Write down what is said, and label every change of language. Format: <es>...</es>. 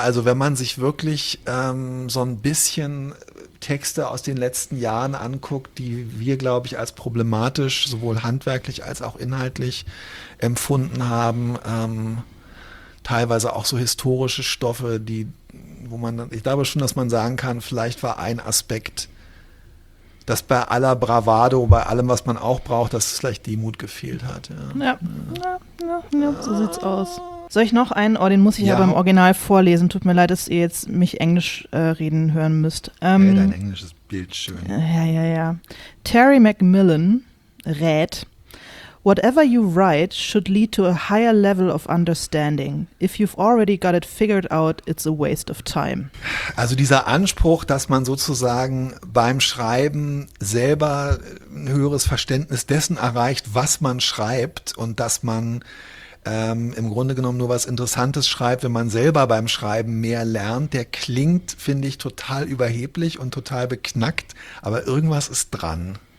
<de>Also wenn man sich wirklich so ein bisschen Texte aus den letzten Jahren anguckt, die wir, glaube ich, als problematisch sowohl handwerklich als auch inhaltlich empfunden haben, teilweise auch so historische Stoffe, die, wo man, ich glaube schon, dass man sagen kann, vielleicht war ein Aspekt, dass bei aller Bravado, bei allem, was man auch braucht, dass es vielleicht Demut gefehlt hat. Ja, so sieht's aus. Soll ich noch einen? Oh, den muss ich ja beim Original vorlesen. Tut mir leid, dass ihr jetzt mich Englisch reden hören müsst. Dein englisches Bild schön. Ja.</de> <en>Terry McMillan</en> <de>rät:</de> <en>Whatever you write should lead to a higher level of understanding. If you've already got it figured out, it's a waste of time.</en> <de>Also dieser Anspruch, dass man sozusagen beim Schreiben selber ein höheres Verständnis dessen erreicht, was man schreibt, und dass man im Grunde genommen nur was Interessantes schreibt, wenn man selber beim Schreiben mehr lernt, der klingt, finde ich, total überheblich und total beknackt, aber irgendwas ist dran.</de>